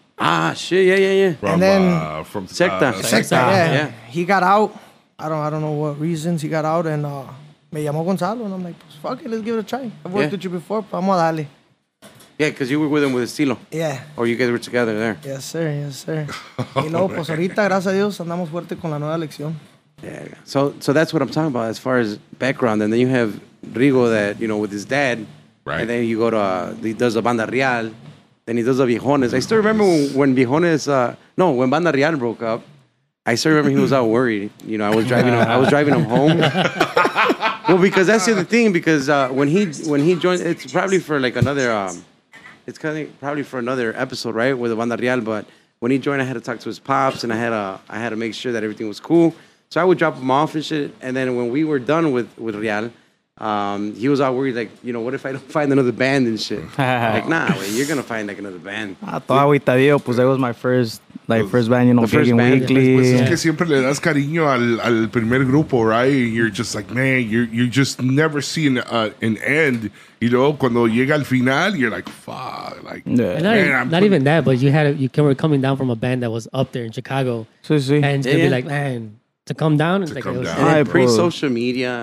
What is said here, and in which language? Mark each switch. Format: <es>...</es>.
<en>Ah, shit, yeah, yeah, yeah. From, and then from Secta. Secta, yeah. Yeah. He got out. I don't know what reasons he got out, and</en> <es>me llamó Gonzalo,</es> <en>and I'm like, pues, fuck it, let's give it a try. I've worked with you before, but</en> <es>vamos a darle.</es> <en>Yeah, because you were with him with Estilo. Yeah. Or you guys were together there. Yes, sir, yes, sir.</en> <es>Y luego, pues ahorita, gracias a Dios, andamos fuerte con la nueva lección.</es> <en>Yeah, so that's what I'm talking about as far as background. And then you have Rigo that, you know, with his dad. Right. And then you go to, he does the Banda Real. Then he does the Viejones. I still remember when Viejones, when Banda Real broke up, I still remember he was all worried. You know, I was driving him home. Well, because that's the other thing, because when he joined, it's probably for like another, it's kind of probably for another episode, right, with the Banda Real. But when he joined, I had to talk to his pops, and I had to make sure that everything was cool. So I would drop him off and shit. And then when we were done with Real, he was all worried, like, you know, what if I don't find another band and shit? Like, nah, wait, you're going to find, like, another band. I thought we tadio, pues that was my first band, you know, the first weekly.</en> <es>Pues es que siempre le das cariño al primer grupo, right?</es> <en>You're just like, man, you just never see an end. You know,</en> <es>cuando llega al final,</es> <en>you're like, fuck. Like, even that, but you were coming down from a band that was up there in Chicago.</en> <es>Sí.</es> <en>And you'd be like, man. To come down, it's like it was right, pre-social media.</en>